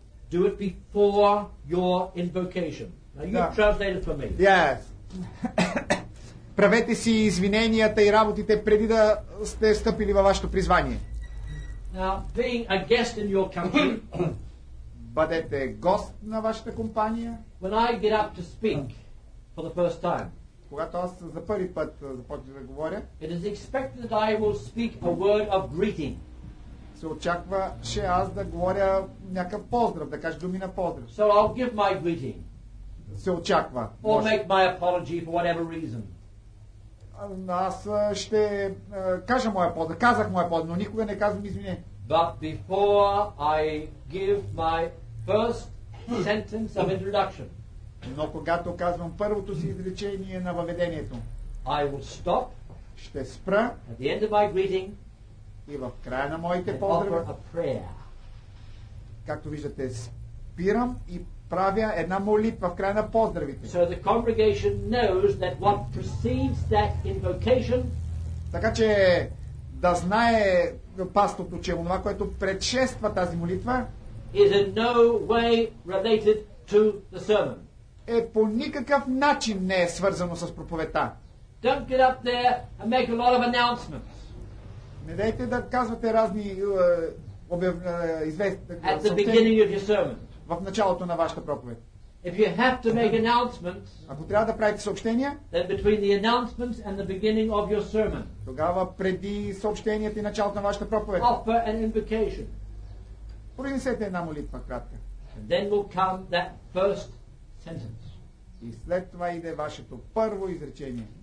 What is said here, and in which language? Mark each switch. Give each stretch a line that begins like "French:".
English: Do it before your invocation. Now you translate it for me. Yes.
Bulgarian: Правете си извиненията и работите преди да сте стъпили във вашето призвание.
English: Now, being a guest in your company,
Bulgarian: бъдете гост на вашата компания.
English: When I get up to speak for the first time,
Bulgarian: когато аз за първи път започвам да говоря,
English: it is expected that I will speak a word of greeting.
Bulgarian: Се очакваше аз да говоря някакъв поздрав, да кажа думи на поздрав.
English: So I'll give my greeting.
Bulgarian: Се очаква.
English: Or
Bulgarian: може.
English: Make my apology for whatever reason.
Bulgarian: Аз ще кажа моя поздрав, казах моя поздрав, но никога не казвам извинение.
English: But before I give my first sentence of introduction,
Bulgarian: но когато казвам първото си изречение на въведението,
English: I will stop,
Bulgarian: ще спра
English: at the end of my greeting,
Bulgarian: и в края на моите поздрави,
English: offer a prayer.
Bulgarian: Както виждате, спирам и правя една молитва в края на поздравите.
English: So the congregation knows that what precedes that invocation,
Bulgarian: така че да знае пастото, че онова, което предшества тази молитва,
English: is in no way related to the sermon.
Bulgarian: Е по никакъв начин не е свързано с проповедта.
English: Don't get up there and make a lot of announcements.
Bulgarian: Не дайте да казвате разни
English: at the beginning of your sermon.
Bulgarian: В началото на вашата проповед.
English: If you have to make announcements,
Bulgarian: ако трябва да правите съобщения,
English: then between the announcements and the beginning of your sermon,
Bulgarian: тогава преди съобщението и началото на вашата проповед,
English: offer an invocation.
Bulgarian: Принесете една молитва кратка.
English: And then will come that first sentence.
Bulgarian: И след това иде вашето първо изречение.